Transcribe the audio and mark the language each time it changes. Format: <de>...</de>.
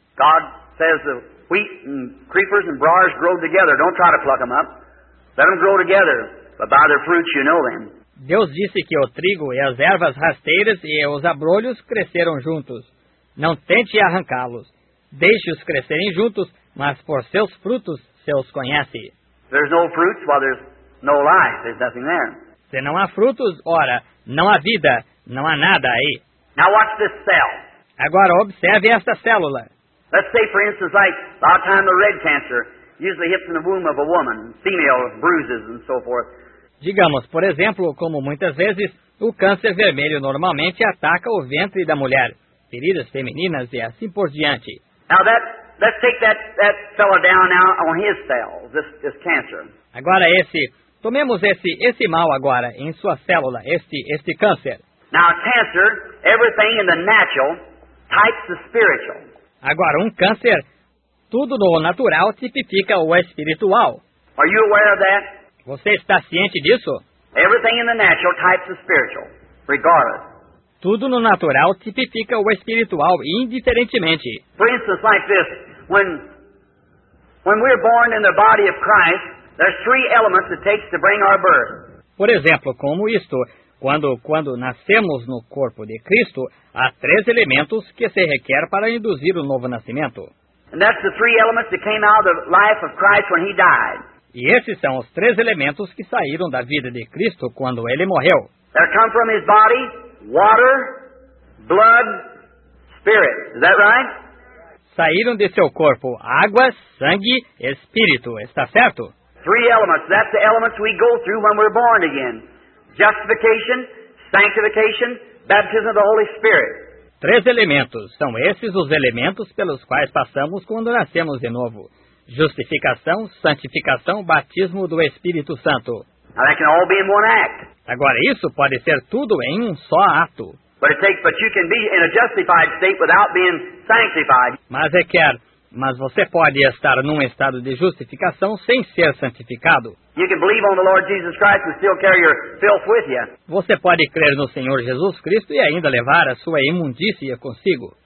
<en>God says the wheat and creepers and briars grow together. Don't try to pluck them up. Let them grow together. But by their fruits you know them.</en> <pt>Deus disse que o trigo e as ervas rasteiras e os abrolhos cresceram juntos. Não tente arrancá-los. Deixe-os crescerem juntos, mas por seus frutos se os conhece.</pt> <en>There's no fruits, well, there's no life. There's nothing there.</en> <pt>Se não há frutos, ora, não há vida, não há nada aí.</pt> <en>Now watch this cell.</en> <pt>Agora observe esta célula.</pt> <en>Let's say, for instance, like a lot of time the red cancer usually hits in the womb of a woman, female bruises and so forth.</en> <pt>Digamos, por exemplo, como muitas vezes o câncer vermelho normalmente ataca o ventre da mulher, feridas femininas e assim por diante.</pt> <en>Now that, let's take that fellow down now on his cells, this cancer.</en> <pt>Agora esse, tomemos esse mal agora em sua célula, este câncer.</pt> <en>Now cancer, everything in the natural types the spiritual.</en> <pt>Agora câncer, tudo no natural tipifica o espiritual.</pt> <en>Are you aware of that?</en> <pt>Você está ciente disso?</pt> <en>Everything in the natural types the spiritual, regardless.</en> <pt>Tudo no natural tipifica o espiritual, indiferentemente.</pt> <en>For instance, like this, when we're born in the body of Christ, there's three elements it takes to bring our birth.</en> <pt>Por exemplo, como isto, quando nascemos no corpo de Cristo, há três elementos que se requer para induzir o novo nascimento.</pt> <en>And that's the three elements that came out of the life of Christ when he died.</en> <pt>E esses são os três elementos que saíram da vida de Cristo quando ele morreu.</pt> <en>They come from his body, water, blood, spirit. Is that right?</en> <pt>Saíram de seu corpo água, sangue, espírito. Está certo?</pt> <en>Three elements. That's the elements we go through when we're born again. Justification, sanctification, baptism of the Holy Spirit.</en> <pt>Três elementos. São esses os elementos pelos quais passamos quando nascemos de novo. Justificação, santificação, batismo do Espírito Santo.</pt> <en>Now that can all be in one act.</en> <pt>Agora, isso pode ser tudo em um só ato.</pt> <en>But you can be in a justified state without being sanctified.</en> <pt>Mas você pode estar num estado de justificação sem ser santificado.</pt> <en>You can believe on the Lord Jesus Christ and still carry your filth with you.</en> <pt>Você pode crer no Senhor Jesus Cristo e ainda levar a sua imundícia consigo.</pt>